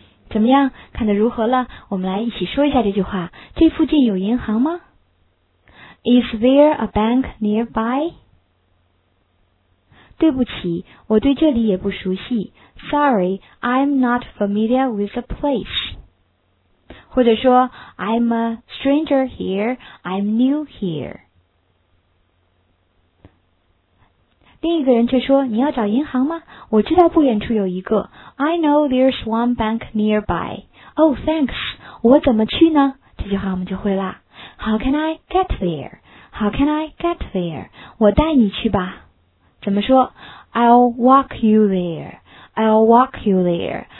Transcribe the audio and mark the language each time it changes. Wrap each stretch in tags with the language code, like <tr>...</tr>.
<zh>怎么样，看得如何了？我们来一起说一下这句话，这附近有银行吗？</zh> <en>Is there a bank nearby?</en> <zh>对不起，我对这里也不熟悉。</zh> <en>Sorry, I'm not familiar with the place.</en> <zh>或者说</zh> <en>I'm a stranger here, I'm new here.</en> <zh>另一个人却说，你要找银行吗？我知道不远处有一个。</zh> <en>I know there's one bank nearby. Oh, thanks.</en> <zh>我怎么去呢？这句话我们就会啦。</zh> <en>How can I get there? How can I get there?</en> <zh>我带你去吧。怎么说？</zh> <en>I'll walk you thereI'll walk you there.</en>